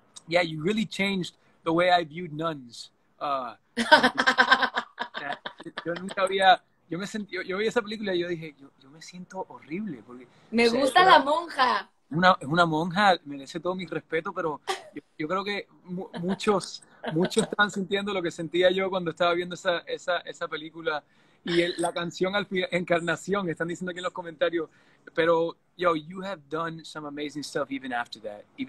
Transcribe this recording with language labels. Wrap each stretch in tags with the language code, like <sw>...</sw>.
<en>Yeah, you really changed the way I viewed nuns.</en> <es>Yo nunca había... Yo vi esa película y yo dije, yo me siento horrible. Porque, me, o sea, gusta la monja. Es una monja, merece todo mi respeto, pero yo creo que muchos están sintiendo lo que sentía yo cuando estaba viendo esa película. Y la canción al final, Encarnación, están diciendo aquí en los comentarios. Pero, yo,</es> <en>you have done some amazing stuff even after that.</en>